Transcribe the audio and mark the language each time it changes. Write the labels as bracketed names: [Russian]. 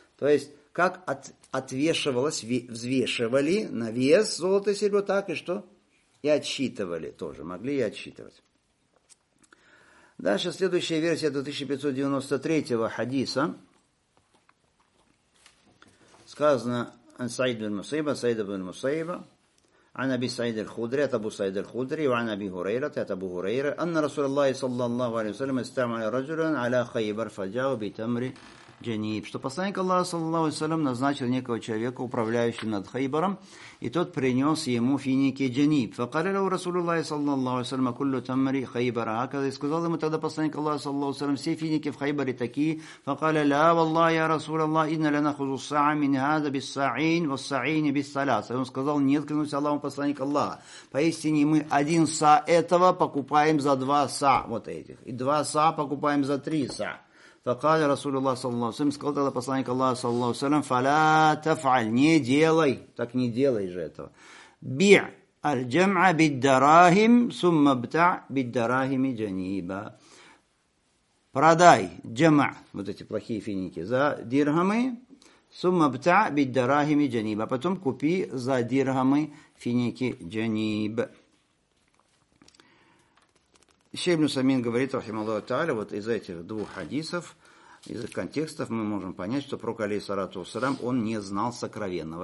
[Russian] То есть, как отвешивалось, взвешивали на вес золото и серебро, так и что? И отсчитывали тоже, могли и отсчитывать. Дальше следующая версия 2593 хадиса. Сказано «Ан Саид бин Мусайба, Саид бин Мусайба». [Arabic] عن أبي سعيد الخدري أبو سعيد الخدري وعن أبي هريرة أبو هريرة أن رسول الله صلى الله عليه وسلم استعمل رجلا على خيبر فجاءه بتمر جنيب. [Russian] Что посланник Аллаха [Arabic] صلى الله عليه وسلم [Russian] назначил некого человека управляющим над Хайбаром, и тот принес ему финики جنيب. [Arabic] فقال له رسول الله صلى الله عليه وسلم كل تمر خيبر هكذا. [Russian] И сказал ему тогда посланник Аллаха [Arabic] صلى الله عليه وسلم [Russian] все финики в Хайбаре такие. [Arabic] فقال لا والله يا رسول الله إن لنا خصوصا من هذا بالسعين والسعين بالسلاس. [Russian] И он сказал нет, клянусь Аллахом, посланник Аллаха, поистине мы один са этого покупаем за два са вот этих, и два са покупаем за три са. [Arabic] فقال رسول الله صلى الله عليه وسلم [Russian] сказал тогда посланник Аллаха [Arabic] صلى الله عليه وسلم فلا تفعل [Russian] не делай, так не делай же этого. [Arabic] بيع الجمع بالدراهم ثم ابتع بالدراهم جنيبا. [Russian] Продай جمع вот эти плохие финики за дирхамы, [Arabic] ثم ابتع بالدراهم جنيبا, [Russian] потом купи за дирхамы финики جنيب. Шейх ибн Усаймин говорит, рахималлаху тааля, вот из этих двух хадисов, из их контекстов мы можем понять, что пророк, алейхиссалату вассалям, он не знал сокровенного.